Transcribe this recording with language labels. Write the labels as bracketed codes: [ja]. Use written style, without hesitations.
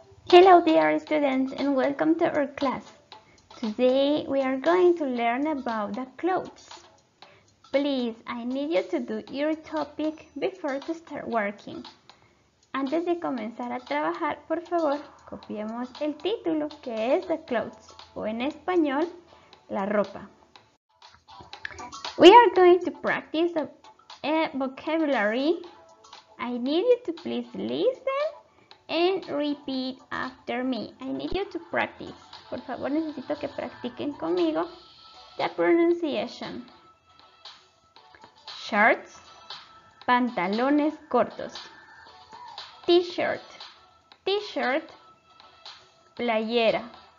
[en] Hello dear students and welcome to our class. Today we are going to learn about the clothes. Please, I need you to do your topic before to start working. [es] Antes de comenzar a trabajar, por favor, copiemos el título que es The Clothes o en español, la ropa. [en] We are going to practice a vocabulary. I need you to please listen and repeat after me. I need you to practice. [es] Por favor, necesito que practiquen conmigo [en] the pronunciation. Shorts, [es] pantalones cortos. [en] T-shirt, t-shirt, [es] playera.